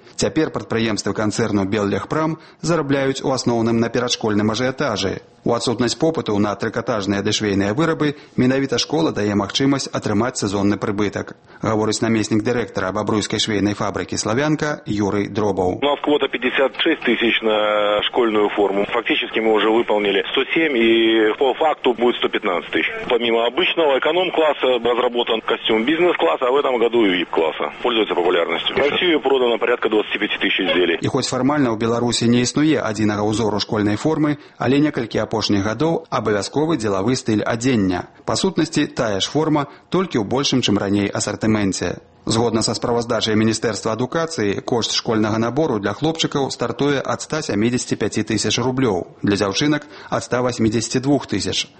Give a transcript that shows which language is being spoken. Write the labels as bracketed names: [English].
[Belarusian] Цяпер прадпрыемствы канцэрну «Беллегпрам» зарабляюць у асноўным на перашкольным ажыятажы. У адсутнасць попыту на трыкатажныя дэшвейныя вырабы менавіта школа дае магчымасць атрымаць сезонны прыбытак, гаворыць намеснік дырэктара бабруйскай швейнай фабрыкі «Славянка» Юрый Дробаў. У нас квота 56 тысяч на школьную форму. [Russian] Фактически мы уже выполнили 107, и по факту будет 115 тысяч. Помимо обычного эконом-класса разработан костюм бизнес-класса, а в этом году и VIP-класса. Пользуется популярностью. В Россию продано порядка 25 тысяч изделий. И хоть формально [Belarusian] у Беларуси не існуе одинага узору школьной формы, але некалькі апошніх гадоў абавязковы дзелавы стыль адзення. Па сутнасці, тая ж форма, толькі ў большым, чым раней, асартыменце. Згодна са справаздачай Міністэрства адукацыі, кошт школьнага набору для хлопчыкаў стартуе ад 175 тысяч рублёў, для дзяўчынак – ад 182 тысяч.